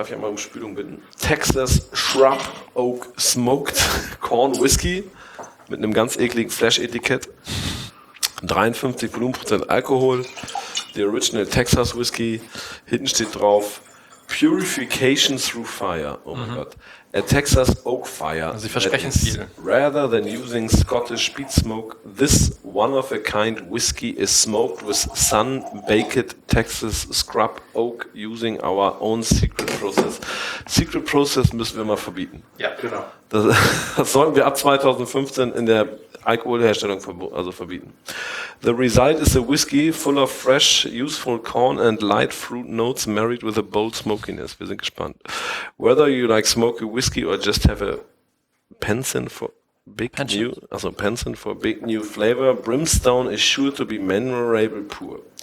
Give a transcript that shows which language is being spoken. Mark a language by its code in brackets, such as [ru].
[de] Darf ich einmal um Spülung bitten? Texas Shrub Oak Smoked Corn Whiskey mit einem ganz ekligen Flash-Etikett. 53 Volumenprozent Alkohol. [en] The Original Texas Whiskey. [de] Hinten steht drauf [en] Purification Through Fire. [de] Oh mein Gott. [en] A Texas Oak Fire. [de] Also sie versprechen viel. [en] Rather than using Scottish peat smoke, this one-of-a-kind whiskey is smoked with sun-baked Texas scrub oak using our own secret process. [de] Secret process müssen wir mal verbieten. Ja, genau. Das sollten wir ab 2015 in der Alkoholherstellung verbieten. [en] The result is a whiskey full of fresh, useful corn and light fruit notes married with a bold smokiness. [de] Wir sind gespannt. [en] Whether you like smoky whiskey or just have a pension for big pension. New, also pension for big new flavor, Brimstone is sure to be memorable pour.